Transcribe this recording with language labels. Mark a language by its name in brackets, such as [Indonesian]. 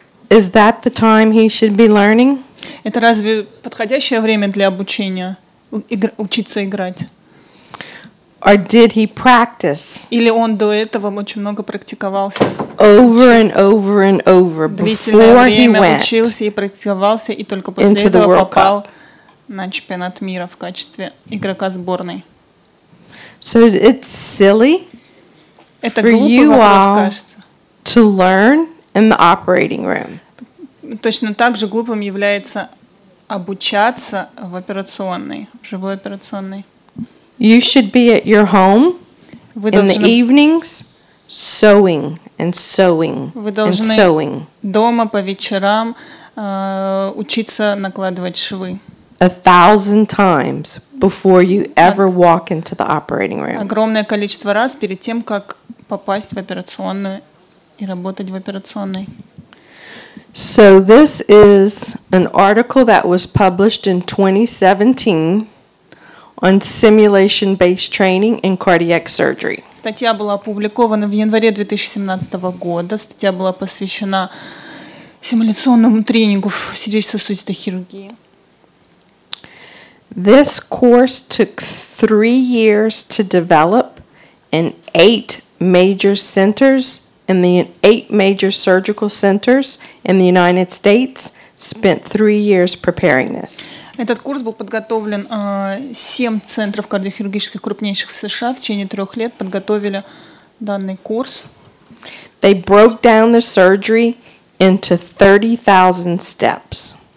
[English] Is that the time he should be learning? [Russian] Это разве подходящее время для обучения учиться играть? [English] Or did he practice? [Russian] Или он до этого очень много практиковался? [English] Over and over and over before he went. [Russian] Учился и практиковался, и только после этого попал на чемпионат мира в качестве игрока сборной. [English] So it's silly for you all to learn in the operating room. [Russian] Точно так же глупым является обучаться в операционной, в живой операционной. [English] You should be at your home in the evenings sewing and sewing and sewing. [Russian] Дома по вечерам учиться накладывать швы. [English] A thousand times before you ever walk into the operating room. [Russian] Огромное количество раз перед тем, как попасть в операционную и работать в операционной. [English] So this is an article that was published in 2017. On simulation-based training in cardiac surgery. [Russian] Статья была опубликована в январе 2017 года. Статья была посвящена симуляционному тренингу в сердечно-сосудистой хирургии. [English] This course took 3 years to develop in eight major surgical centers in the United States. Spent 3 years preparing this. [Russian] Этот курс был подготовлен 7 центров кардиохирургических крупнейших в США. В течение 3 лет подготовили данный курс. [English] They broke down the surgery into 30,000 steps.